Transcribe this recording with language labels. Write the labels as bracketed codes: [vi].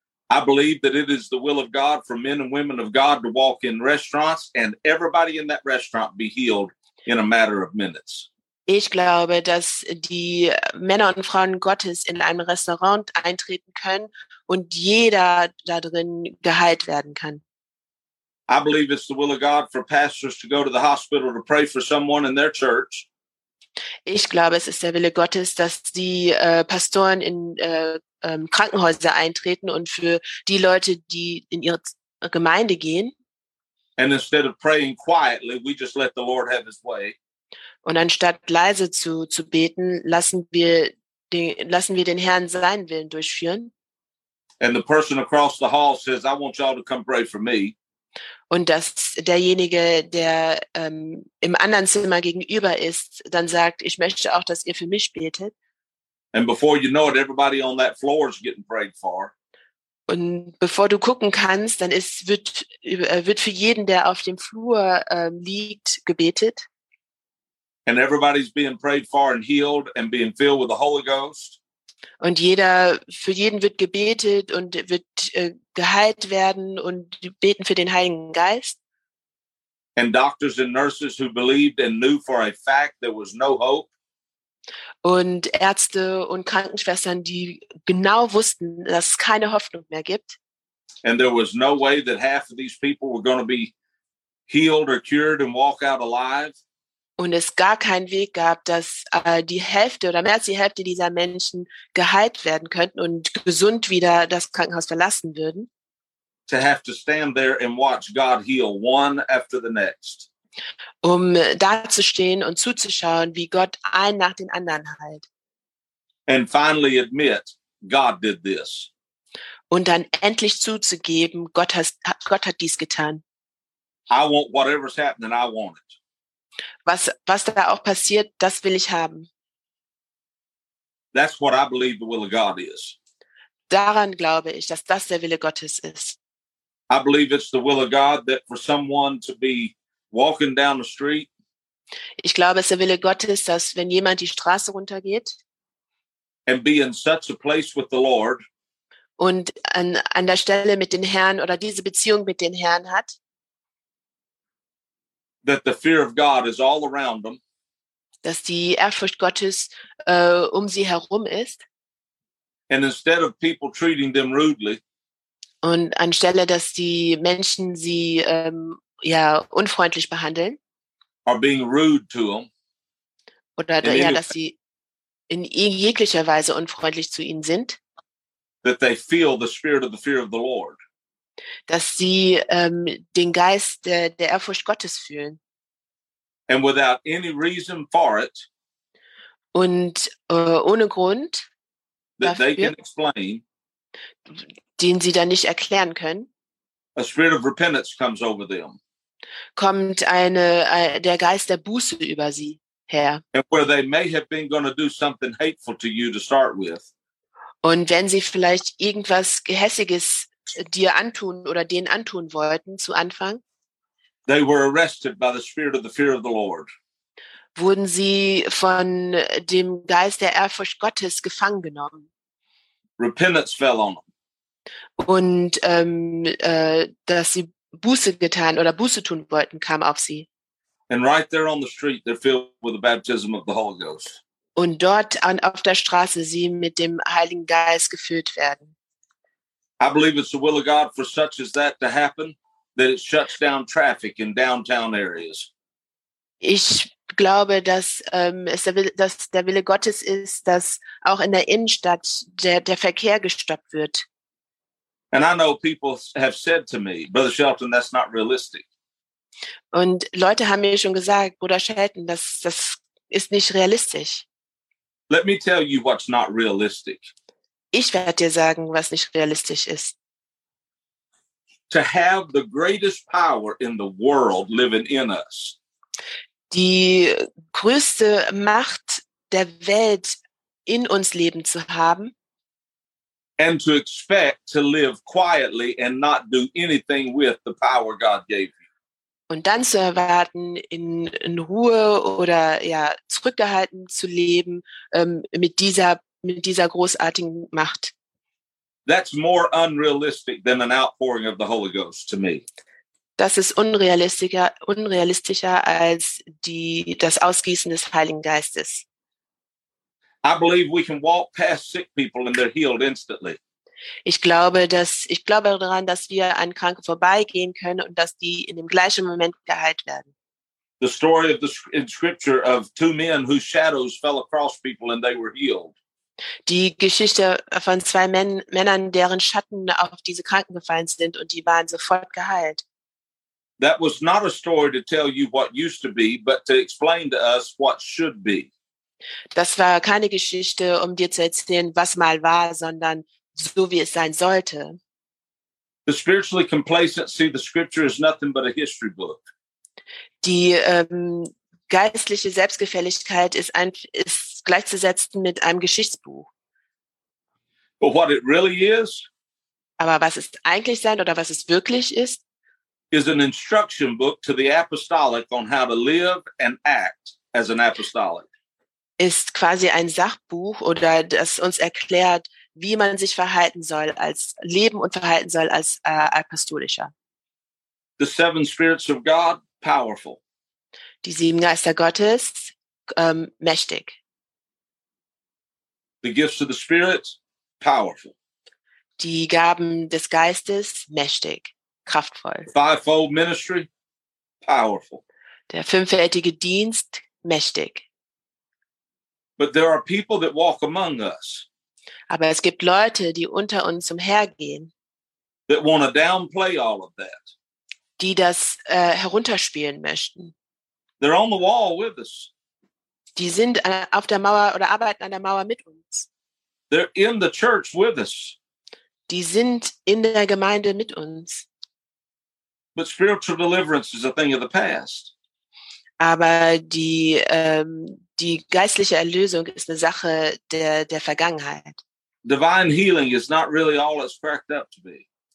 [en] I believe that it is the will of God for men and women of God to walk in restaurants and everybody in that restaurant be healed in a matter of minutes. [de] Ich glaube, dass die Männer und Frauen Gottes in ein Restaurant eintreten können und jeder da drin geheilt werden kann. [en] I believe it's the will of God for pastors to go to the hospital to pray for someone in their church. [de] Ich glaube, es ist der Wille Gottes, dass die Pastoren in Krankenhäuser eintreten und für die Leute, die in ihre Gemeinde gehen. [en] And instead of praying quietly, we just let the Lord have his way. [de] Und anstatt leise zu beten, lassen wir den Herrn seinen Willen durchführen. [en] And the person across the hall says, I want y'all to come pray for me. [de] Und dass derjenige, der im anderen Zimmer gegenüber ist, dann sagt, ich möchte auch, dass ihr für mich betet. [en] And before you know it, everybody on that floor is getting prayed for. [de] Und bevor du gucken kannst, dann wird für jeden, der auf dem Flur liegt, gebetet. [en] And everybody's being prayed for and healed and being filled with the Holy Ghost. [de] Und jeder, für jeden wird gebetet und wird geheilt werden und beten für den Heiligen Geist. [en] And doctors and nurses who believed and knew for a fact there was no hope. [de] Und Ärzte und Krankenschwestern, die genau wussten, dass es keine Hoffnung mehr gibt. [en] And there was no way that half of these people were going to be healed or cured and walk out alive. [de] Und es gar keinen Weg gab, dass die Hälfte oder mehr als die Hälfte dieser Menschen geheilt werden könnten und gesund wieder das Krankenhaus verlassen würden. [en] To have to stand there and watch God heal one after the next. [de] Um da zu stehen und zuzuschauen, wie Gott einen nach den anderen heilt. [en] And finally admit, God did this. [de] Und dann endlich zuzugeben, Gott hat dies getan. [en] I want whatever's happening, I want it. [de] Was da auch passiert, das will ich haben. [en] That's what I believe the will of God is. [de] Daran glaube ich, dass das der Wille Gottes ist. [en] I believe it's the will of God that for someone to be walking down the street. [de] Ich glaube, es ist der Wille Gottes, dass wenn jemand die Straße runtergeht. [en] And be in such a place with the Lord. [de] Und an der Stelle mit den Herrn oder diese Beziehung mit den Herrn hat. [en] That the fear of God is all around them. [de] Dass die Ehrfurcht Gottes sie herum ist. [en] And instead of people treating them rudely. [de] Und anstelle, dass die Menschen sie unfreundlich behandeln. [en] Are being rude to them. [de] Oder dass sie in jeglicher Weise unfreundlich zu ihnen sind. [en] That they feel the spirit of the fear of the Lord. [de] Dass sie den Geist der Ehrfurcht Gottes fühlen. [en] And without any reason for it, [de] und ohne Grund, [en] that [de] dafür, [en] they can explain, [de] den sie dann nicht erklären können, [en] a spirit of repentance comes over them. [de] Kommt der Geist der Buße über sie her. [en] And where they may have been going to do something hateful to you to start with. [de] Und wenn sie vielleicht irgendwas Gehässiges dir antun oder denen antun wollten zu Anfang. [en] They were arrested by the spirit of the fear of the Lord. [de] Wurden sie von dem Geist der Ehrfurcht Gottes gefangen genommen. [en] Repentance fell on them. [de] Und dass sie Buße getan oder Buße tun wollten, kam auf sie. [en] And right there on the street, they're filled with the baptism of the Holy Ghost. [de] Und dort auf der Straße sie mit dem Heiligen Geist gefüllt werden. [en] I believe it's the will of God for such as that to happen, that it shuts down traffic in downtown areas. [de] Ich glaube, dass dass der Wille Gottes ist, dass auch in der Innenstadt der Verkehr gestoppt wird. [en] And I know people have said to me, Brother Shelton, that's not realistic. [de] Und Leute haben mir schon gesagt, Bruder Shelton, das ist nicht realistisch. [en] Let me tell you what's not realistic. [de] Ich werde dir sagen, was nicht realistisch ist. [en] To have the greatest power in the world living in us. [de] Die größte Macht der Welt in uns leben zu haben. [en] And to expect to live quietly and not do anything with the power God gave you. [de] und dann zu erwarten, in Ruhe oder ja zurückgehalten zu leben mit dieser großartigen Macht. [en] That's more unrealistic than an outpouring of the Holy Ghost to me. [de] Das ist unrealistischer als das Ausgießen des Heiligen Geistes. [en] I believe we can walk past sick people and they're healed instantly. [de] Ich glaube daran, dass wir an Kranken vorbeigehen können und dass die in dem gleichen Moment geheilt werden. [en] The story of in Scripture of two men whose shadows fell across people and they were healed. [de] Die Geschichte von zwei Männern, deren Schatten auf diese Kranken gefallen sind und die waren sofort geheilt. [en] That was not a story to tell you what used to be, but to explain to us what should be. [de] Das war keine Geschichte, um dir zu erzählen, was mal war, sondern so wie es sein sollte. [en] The spiritually complacent see the scripture as nothing but a history book. [de] Die geistliche Selbstgefälligkeit ist gleichzusetzen mit einem Geschichtsbuch. [en] But what it really is? [de] Aber was es eigentlich sein oder was es wirklich ist? [en] Is an instruction book to the apostolic on how to live and act as an apostolic. [de] Ist quasi ein Sachbuch oder das uns erklärt, wie man sich verhalten soll als leben und verhalten soll als apostolischer. [en] The seven spirits of God, powerful. [de] Die sieben Geister Gottes, mächtig. [en] The gifts of the Spirit, powerful. [de] Die Gaben des Geistes, mächtig. Kraftvoll. [en] Fivefold ministry, powerful. [de] Der fünffältige Dienst, mächtig. [en] But there are people that walk among us. [de] Aber es gibt Leute, die unter uns umhergehen. [en] That want to downplay all of that. [de] Die das herunterspielen möchten. [en] They're on the wall with us. [de] Die sind auf der Mauer oder arbeiten an der Mauer mit uns. [en] They're in the church with us. [de] Die sind in der Gemeinde mit uns. [en] But spiritual deliverance is a thing of the past. [de] Aber die geistliche Erlösung ist eine Sache der Vergangenheit. [en] Divine healing is not really all it's cracked up to be.